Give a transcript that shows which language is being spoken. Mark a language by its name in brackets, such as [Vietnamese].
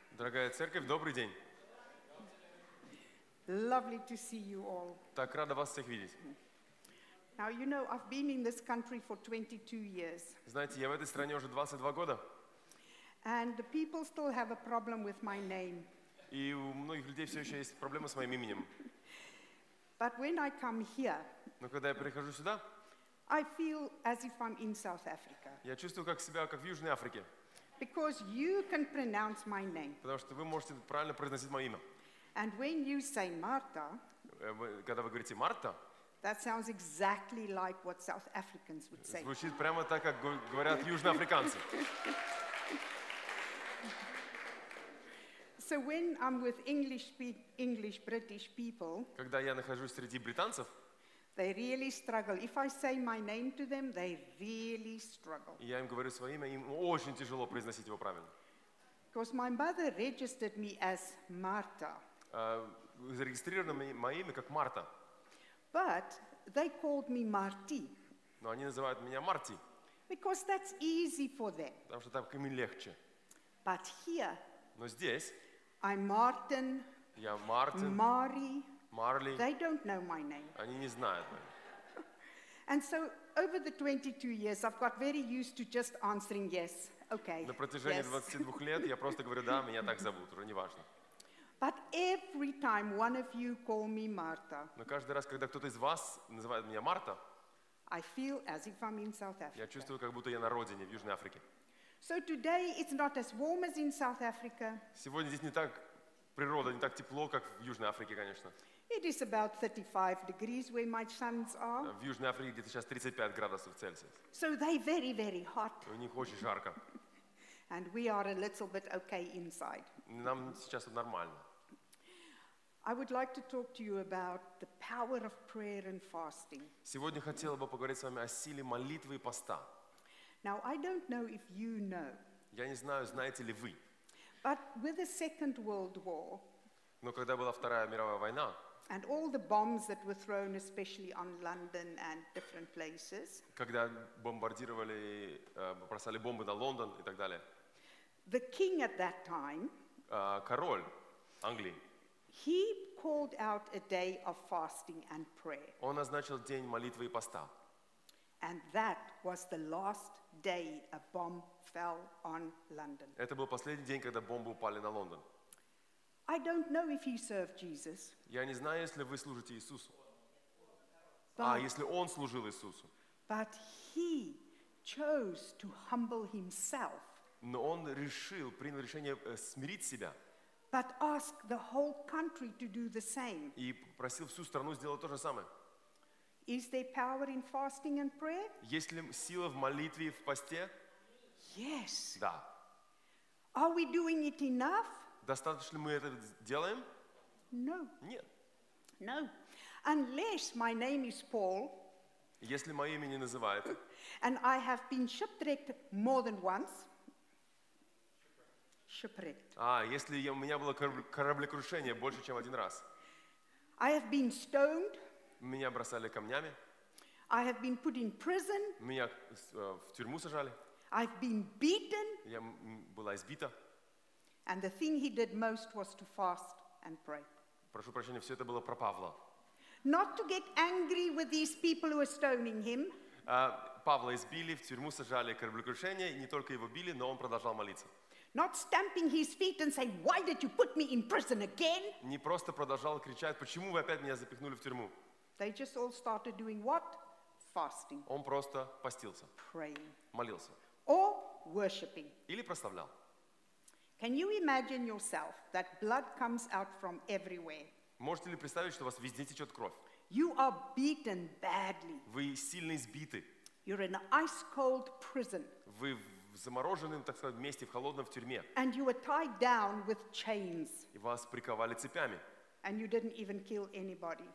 [Russian] Дорогая церковь, добрый день. [English] Lovely to see you all. [Russian] Так рада вас всех видеть. [English] Now you know I've been in this country for 22 years. [Russian] Знаете, я в этой стране уже 22 года. [English] And the people still have a problem with my name. [Russian] И у многих людей все еще есть проблемы с моим именем. [English] But when I come here, [Russian] но когда я прихожу сюда, [English] I feel as if I'm in South Africa. [Russian] Я чувствую как себя как в Южной Африке. [English] Because you can pronounce my name. [Russian] Потому что вы можете правильно произносить мое имя. [English] And when you say Marta, [Russian] когда вы говорите Марта, [English] that sounds exactly like what South Africans would say. [Russian] Звучит прямо так, как говорят южноафриканцы. [English] So when I'm with English British people, [Russian] когда я нахожусь среди британцев, [English] they really struggle. If I say my name to them, they really struggle. [Russian] Я им говорю свое имя, им очень тяжело произносить его правильно. [English] Because my mother registered me as Marta. [Russian] Зарегистрировано мое имя как Марта. [English] But they called me Marty. [Russian] Но они называют меня Марти. [English] Because that's easy for them. [Russian] Потому что так им легче. [English] But here. [Russian] Но здесь. [English] I'm Martin. [Russian] Я Мартин. [English] Mari. Marley. They don't know my name. [Russian] Они не знают. [English] And so over the 22 years I've got very used to just answering yes. Okay. [Russian] На протяжении 22 лет я просто говорю да, меня так зовут, уже неважно. [English] But every time one of you call me Marta. [Russian] Но каждый раз, когда кто-то из вас называет меня Марта, [English] I feel as if I'm in South Africa. [Russian] Я чувствую, как будто я на родине в Южной Африке. [English] So today it's not as warm as in South Africa. [Russian] Сегодня здесь не так природа, не так тепло, как в Южной Африке, конечно. [English] It is about 35 degrees where my sons are. [Russian] В Южной Африке где-то сейчас 35 градусов Цельсия. [English] So they very, very hot. [Russian] У них очень жарко. [English] And we are a little bit okay inside. [Russian] Нам сейчас нормально. [English] I would like to talk to you about the power of prayer and fasting. [Russian] Сегодня хотела бы поговорить с вами о силе молитвы и поста. [English] Now I don't know if you know. [Russian] Я не знаю, знаете ли вы. [English] But with the Second World War. [Russian] Но когда была Вторая мировая война. [English] And all the bombs that were thrown, especially on London and different places. [Russian] Когда бомбардировали, бросали бомбы на Лондон и так далее. [English] The king at that time. [Russian] Король Англии. [English] He called out a day of fasting and prayer. [Russian] Он назначил день молитвы и поста. [English] And that was the last day a bomb fell on London. [Russian] Это был последний день, когда бомбы упали на Лондон. [English] I don't know if he served Jesus. [Russian] Я не знаю, если вы служите Иисусу. Если он служил Иисусу. [English] But he chose to humble himself. [Russian] Но он решил, принял решение смирить себя. [English] But ask the whole country to do the same. [Russian] И просил всю страну сделать то же самое. [English] Is there power in fasting and prayer? [Russian] Есть ли сила в молитве и в посте? [English] Yes. [Russian] Да. [English] Are we doing it enough? [Russian] Достаточно ли мы это делаем? [English] No. [Russian] Нет. [English] No. Unless my name is Paul. [Russian] Если мое имя не называют. [English] And I have been shipwrecked more than once. Shipwrecked. [Russian] Если у меня было кораблекрушение больше, чем один раз. [English] I have been stoned. [Russian] Меня бросали камнями. [English] I have been put in prison. [Russian] Меня в тюрьму сажали. [English] I've been beaten. [Russian] Я была избита. [English] And the thing he did most was to fast and pray. [Russian] Прошу прощения, все это было про Павла. [English] Not to get angry with these people who are stoning him. [Russian] Павла избили, в тюрьму сажали, кораблекрушение, не только его били, но он продолжал молиться. [English] Not stamping his feet and saying, "Why did you put me in prison again?" [Russian] Не просто продолжал кричать, почему вы опять меня запихнули в тюрьму? [English] They just all started doing what? Fasting. [Russian] Он просто постился. [English] Praying. [Russian] Молился. [English] Or worshiping. [Russian] Или прославлял. [English] Can you imagine yourself that blood comes out from everywhere? [Russian] Можете ли представить, что у вас везде течет кровь? [English] You are beaten badly. [Russian] Вы сильно избиты. [English] You're in an ice cold prison. [Russian] Вы в замороженном, так сказать, месте, в холодном, в тюрьме. [English] And you were tied down with chains. [Russian] И вас приковали цепями. [English] And you didn't even kill anybody.